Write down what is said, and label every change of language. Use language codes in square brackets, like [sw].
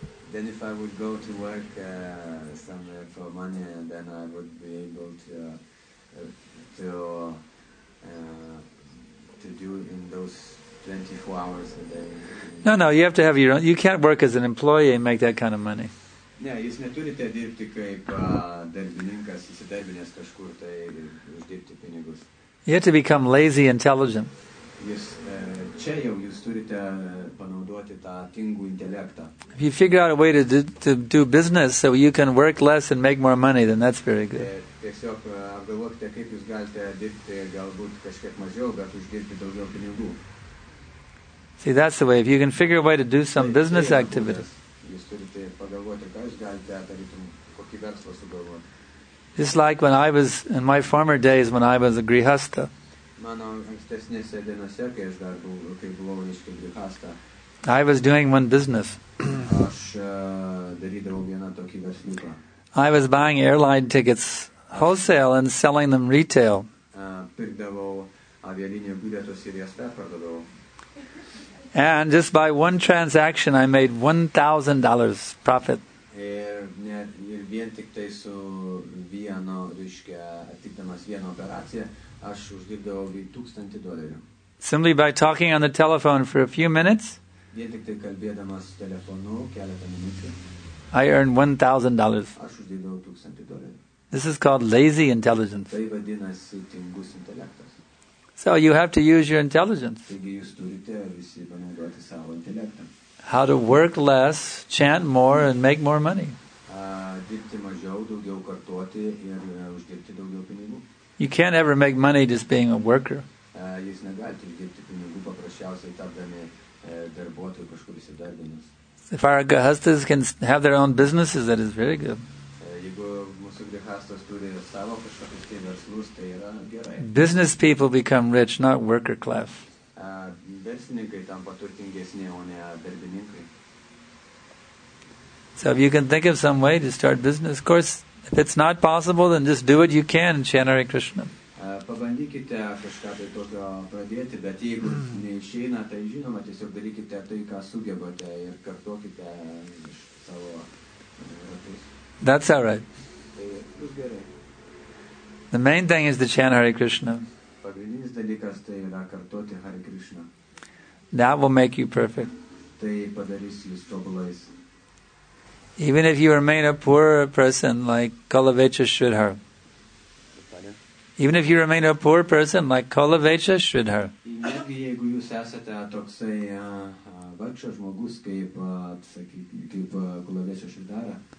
[en] Then if I would go to work somewhere for money, then I would be able to do in those 24 hours a day. No, no, you have to have your own. You can't work as an employee and make that kind of money. [lt] Ne, jūs neturite dirbti kaip darbininkas, įsidarbinęs kažkur tai uždirbti pinigus. [en] You have to become lazy, intelligent. [lt] Čia jau jūs turite panaudoti tą tingų intelektą. [en] If you figure out a way to do business so you can work less and make more money, then that's very good. [lt] Tiesiog apgalvokite, kaip jūs galite dirbti galbūt kažkiek mažiau, bet uždirbti daugiau pinigų. [en] See, that's the way. If you can figure a way to do some business activities. [lt] Jūs turite pagalvoti, ką jūs galite daryti, kokį verslą sugalvoti. [en] Just like when I was in my former days when I was a grihastha. [lt] Mano ankstesnėse dienose, kai aš dar buvau, kai buvau reiškia grihastha. [en] I was doing one business. [lt] Aš darydavau vieną tokį versliuką. [en] I was buying airline tickets wholesale and selling them retail. [lt] Pirkdavau avialinijų bilietus ir jas perpardavau. [en] And just by one transaction I made $1,000 profit. [lt] Ir vien tik tai su vieno, reiškia, atlikdamas vieną operaciją, aš uždirbdavau $1,000. [en] Simply by talking on the telephone for a few minutes, [lt] vien tik tai kalbėdamas telefonu keletą minučių, [en] I earned $1,000. [lt] Aš uždirbdavau $1,000. [en] This is called lazy intelligence. [lt] Tai vadinasi tingus intelektas. [en] So you have to use your intelligence. [lt] Taigi jūs turite visi panaudoti savo intelektą. [en] How to work less, chant more, and make more money. [lt] Dirbti mažiau, daugiau kartuoti ir uždirbti daugiau pinigų. [en] You can't ever make money just being a worker. [lt] Jūs negalite uždirbti pinigų paprasčiausiai tapdami darbuotoju kažkur įsidarbinus. [en] If our grihasthas can have their own businesses, that is very good. [lt] Jeigu mūsų grihasthas turi savo kažkokius tai verslus, tai yra gerai. [en] Business people become rich, not worker class. [lt] Verslininkai tampa turtingesni, o ne darbininkai. [en] So if you can think of some way to start business, of course, if it's not possible, then just do what you can and chant Hare Krishna. [lt] Pabandykite kažką tai tokio pradėti, bet jeigu neišeina, tai žinoma, tiesiog darykite tai, ką sugebate ir kartokite iš savo ratus. [en] That's all right. The main thing is to chant Hare Krishna. [lt] Pagrindinis dalykas tai yra kartoti Hare Krishna. [en] That will make you perfect. [lt] Tai padarys jūs tobulais. [en] Even if you remain a poor person like Kalavecha Sridhar. Even if you remain a poor person like Kalavecha Sridhar. [lt] Netgi jeigu jūs esate toksai vargšas žmogus kaip Kalavecha Sridhara.